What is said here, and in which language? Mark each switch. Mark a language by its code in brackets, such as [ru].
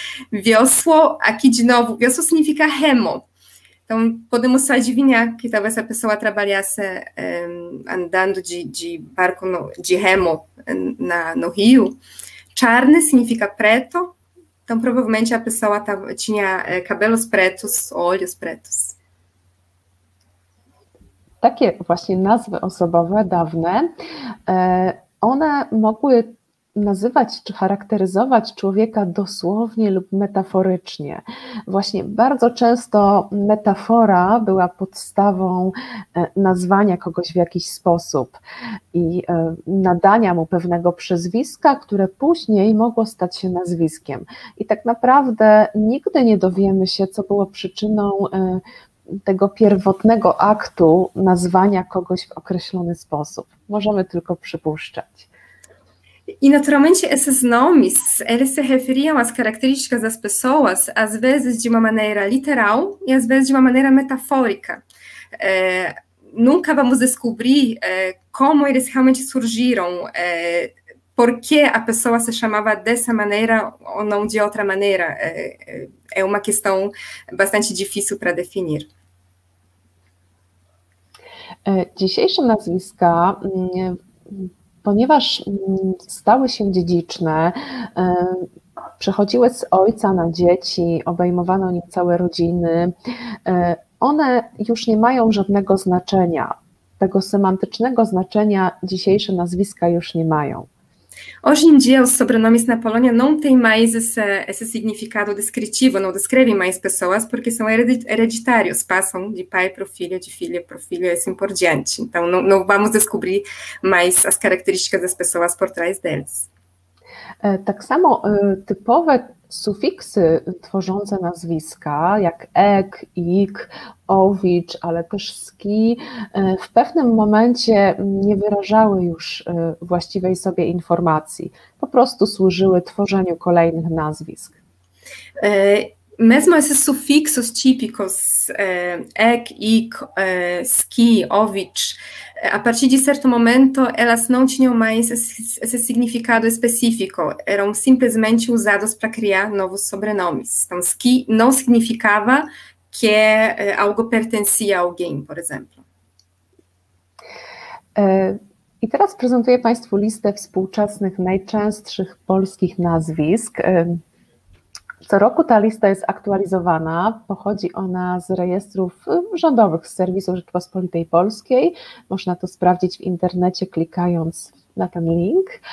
[pt] Viosuo, aqui de novo, viosuo significa remo. Então, podemos só adivinhar que talvez a pessoa trabalhasse andando de barco, de remo no rio. Charne significa preto. Então, provavelmente a pessoa tinha cabelos pretos, olhos pretos. [pl] Takie właśnie nazwy osobowe dawne, one mogły nazywać czy charakteryzować człowieka dosłownie lub metaforycznie. Właśnie bardzo często metafora była podstawą nazwania kogoś w jakiś sposób i nadania mu pewnego przezwiska, które później mogło stać się nazwiskiem. I tak naprawdę nigdy nie dowiemy się, co było przyczyną tego pierwotnego aktu nazwania kogoś w określony sposób. Możemy tylko przypuszczać. [pt] E naturalmente esses nomes, eles se referiam às características das pessoas, às vezes de uma maneira literal e às vezes de uma maneira metafórica. Nunca vamos descobrir como eles realmente surgiram, por que a pessoa se chamava dessa maneira ou não de outra maneira. É uma questão bastante difícil para definir. [pl] Dzisiejsze nazwiska, ponieważ stały się dziedziczne, przechodziły z ojca na dzieci, obejmowano nim całe rodziny, one już nie mają żadnego znaczenia. Tego semantycznego znaczenia dzisiejsze nazwiska już nie mają. [pt] Hoje em dia, os sobrenomes na Polônia não têm mais esse significado descritivo, não descrevem mais pessoas, porque são hereditários, passam de pai para o filho, de filha para o filho, e assim por diante. Então, não vamos descobrir mais as características das pessoas por trás deles. [pl] Tak samo typowe sufiksy tworzące nazwiska, jak ek, ik, owicz, ale też ski, w pewnym momencie nie wyrażały już właściwej sobie informacji. Po prostu służyły tworzeniu kolejnych nazwisk. [pt] Mesmo esses sufixos típicos, ek, ik, ski, owicz, a partir de certo momento elas não tinham mais esse significado específico, eram simplesmente usados para criar novos sobrenomes. Então, ski não significava que algo pertencia a alguém, por exemplo. [pl] I teraz prezentuję Państwu listę współczesnych najczęstszych polskich nazwisk. Co roku ta lista jest aktualizowana, pochodzi ona z rejestrów rządowych, z serwisu Rzeczpospolitej Polskiej. Można to sprawdzić w internecie, klikając na ten link.